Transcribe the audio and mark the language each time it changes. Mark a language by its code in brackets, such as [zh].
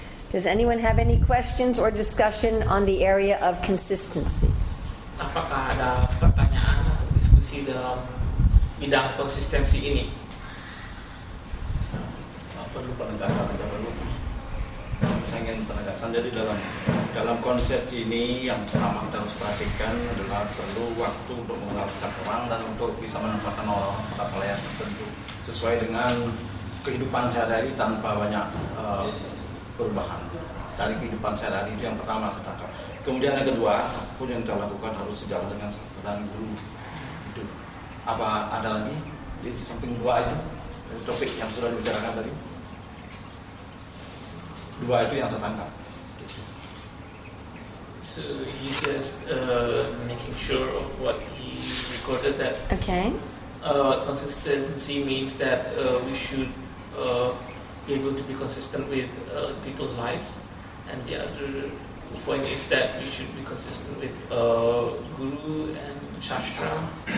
[en] Does anyone have any questions or discussion on the area of consistency? [id] Apakah ada pertanyaan atau diskusi dalam bidang konsistensi ini? Perlu penegasan aja perlu. Saya ingin penegasan, jadi dalam konsistensi ini yang pertama kita harus perhatikan adalah perlu waktu untuk mengalaskan orang dan untuk bisa menempatkan orang pada pelayanan tertentu sesuai dengan kehidupan sehari-hari tanpa banyak perubahan dari kehidupan sehari-hari, itu yang pertama saya tangkap. Kemudian yang kedua, apapun yang kita lakukan harus sejalan dengan sastra dan guru. Itu apa ada lagi di samping dua itu, dari topik yang sudah dibicarakan tadi, dua itu yang saya tangkap. [en] So he just making sure of what he recorded that. Okay. Consistency means that we should be able to be consistent with people's lives. And the other point is that we should be consistent with Guru and Shastra.